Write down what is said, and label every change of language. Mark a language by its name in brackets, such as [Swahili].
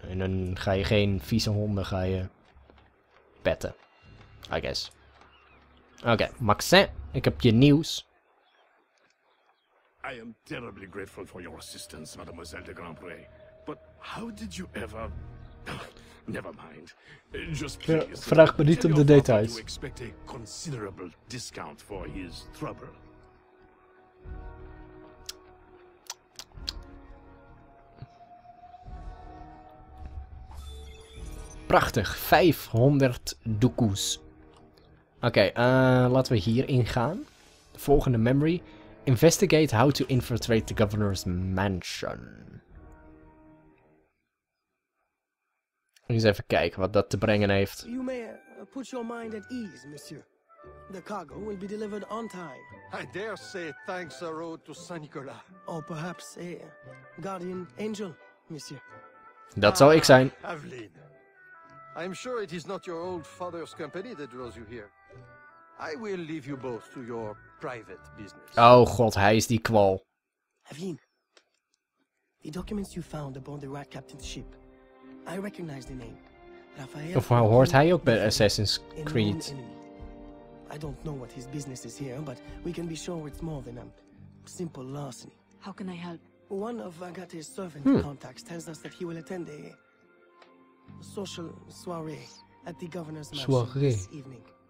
[Dutch] En dan ga je geen vieze honden, ga je petten. [English] I guess. [Dutch] Oké, Maxin, ik heb je nieuws. [English] I am terribly grateful for your assistance, Mademoiselle de Grand Prix. But how did you ever... Never mind. Just please. [Dutch] Ja, vraag me niet om de details. [English] You expect a considerable discount for his trouble. [Dutch] Prachtig. 500 doekoes. Oké, laten we hier ingaan. De volgende memory. [English] Investigate how to infiltrate the governor's mansion. [Dutch] Eens even kijken wat dat te brengen heeft. [English] You may put your mind at ease, monsieur. The cargo will be delivered on time. I dare say thanks are owed to Saint Nicolas. Or perhaps a guardian angel, monsieur. [Dutch] Dat zou ik zijn. [English] Aveline, I'm sure it is not your old father's company that draws you here. I will leave you both to your private business. [Dutch] Oh god, hij is die kwal. [English] Aveline, the documents you found aboard the Rat Captain's ship. I recognize the name. [Dutch] Of hoort hij ook bij Assassin's Creed? [English] I don't know what his business is here, but we can be sure it's more than a simple larceny. How can I help? One of Agathe's servant contacts tells us that he will attend a social soiree at the governor's mansion this evening.